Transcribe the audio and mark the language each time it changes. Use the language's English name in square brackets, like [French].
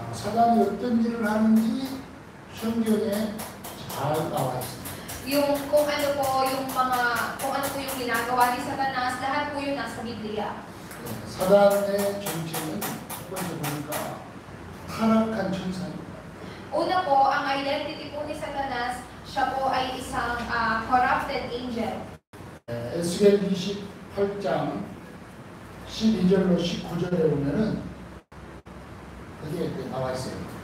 [Korean] 사단이 어떤 일을 하는지 성경에 잘 나와 있습니다. [Filipino] 'Yung kung ano po yung mga kung ano po yung ginagawa ni Satanas, lahat po yung nasa Biblia. [Korean] 사단의 정체는 첫 번째 보니까 타락한 천사입니다. [Filipino] 오늘 po ang identity po ni Satanas, siya po ay isang corrupted angel. [Korean] 에스겔 28장 12절로 19절에 보면은 그게 나와 있어요.